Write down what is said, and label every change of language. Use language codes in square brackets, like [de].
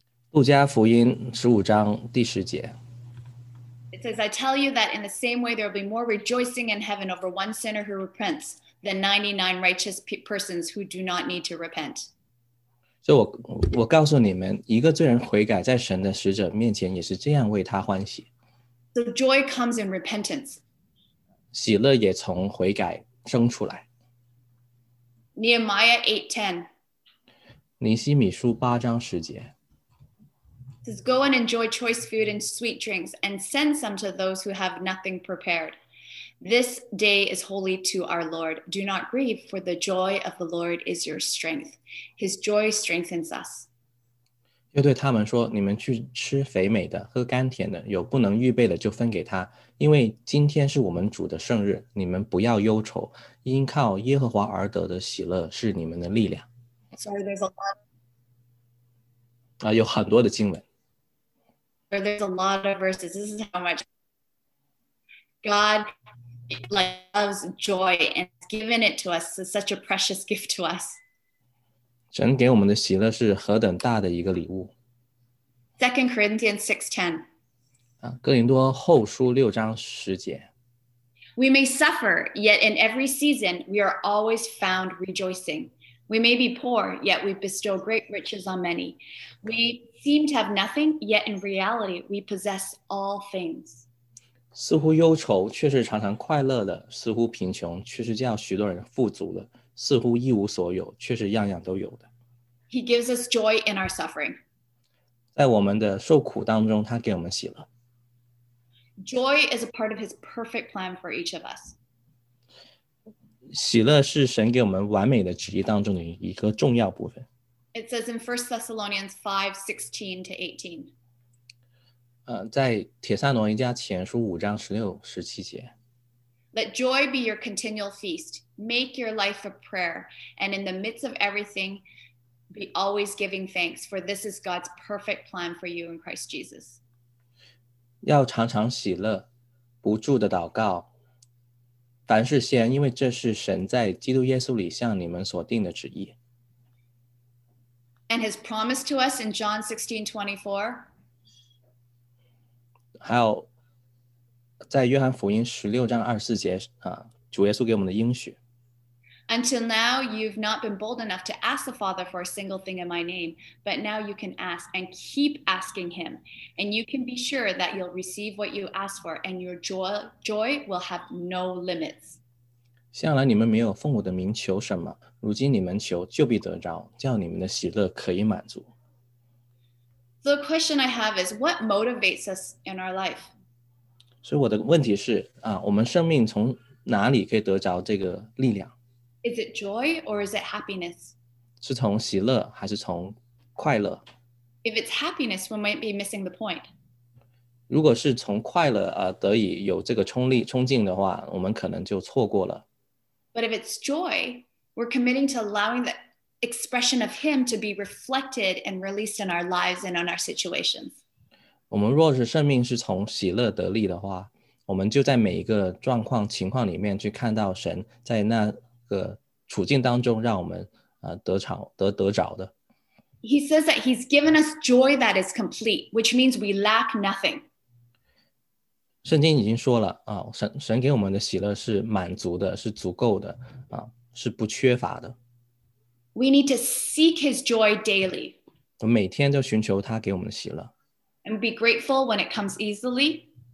[zh] 路加福音十五章第十节。 [en] It says, I tell you that in the same way there will be more rejoicing in heaven over one sinner who repents than 99 righteous persons who do not need to repent. [zh] 所以我告诉你们，一个罪人悔改，在神的使者面前也是这样为他欢喜。 [en] So joy comes in repentance. [zh] 喜乐也从悔改生出来。 [en] Nehemiah 8:10. [zh] 尼希米书八章十节。 [en] It says, go and enjoy choice food and sweet drinks, and send some to those who have nothing prepared. This day is holy to our Lord. Do not grieve, for the joy of the Lord is your strength. His joy strengthens us. [zh] 又对他们说，你们去吃肥美的，喝甘甜的，有不能预备的就分给他，因为今天是我们主的圣日，你们不要忧愁，因靠耶和华而得的喜乐是你们的力量。 [en] Sorry, there's a lot. [zh] 有很多的经文。 [en] There's a lot of verses. This is how much God loves joy and has given it to us. It's such a precious gift to us. [zh] 神给我们的喜乐是何等大的一个礼物。 [en] 2 Corinthians 6:10. [zh] 哥林多后书六章十节。 [en] We may suffer, yet in every season we are always found rejoicing. We may be poor, yet we bestow great riches on many. We seem to have nothing, yet in reality we possess all things. [zh] 似乎忧愁，却是常常快乐的；似乎贫穷，却是叫许多人富足的；似乎一无所有，却是样样都有的。 [en] He gives us joy in our suffering. [zh] 在我们的受苦当中，他给我们喜乐。 [en] Joy is a part of His perfect plan for each of us. [zh] 喜乐是神给我们完美的旨意当中的一个重要部分。 [en] It says in 1 Thessalonians 5:16-18. [zh] 在帖撒罗尼迦前书五章十六、十七节。 [en] Let joy be your continual feast. Make your life a prayer. And in the midst of everything, be always giving thanks, for this is God's perfect plan for you in Christ Jesus. [zh] 要常常喜乐，不住的祷告，凡事谢恩，因为这是神在基督耶稣里向你们所定的旨意。 [en] And his promise to us in John 16:24. [zh] 还有在约翰福音十六章二十四节主耶稣给我们的应许。 [en] Until now, you've not been bold enough to ask the Father for a single thing in my name, but now you can ask and keep asking him, and you can be sure that you'll receive what you ask for, and your joy will have no limits. [zh] 向来你们没有奉我的名求什么，如今你们求就必得着，叫你们的喜乐可以满足。 [en] The question I have is, what motivates us in our life? [zh] 所以我的问题是，我们生命从哪里可以得着这个力量？ [en] Is it joy or is it happiness? [zh] 是从喜乐还是从快乐？ [en] If it's happiness, we might be missing the point. [zh] 如果是从快乐得以有这个冲劲的话，我们可能就错过了。 [en] But if it's joy, we're committing to allowing the expression of him to be reflected and released in our lives and on our situations. [zh] 我们若是生命是从喜乐得力的话，我们就在每一个状况情况里面去看到神在那个处境当中让我们得着的。 [en] He says that he's given us joy that is complete, which means we lack nothing. [zh] 圣经已经说了神给我们的喜乐是满足的，是足够的是不缺乏的。 [en] We need to seek his joy daily. [zh] 我每天就寻求他给我们的喜乐。 [en] And be grateful when it comes easily.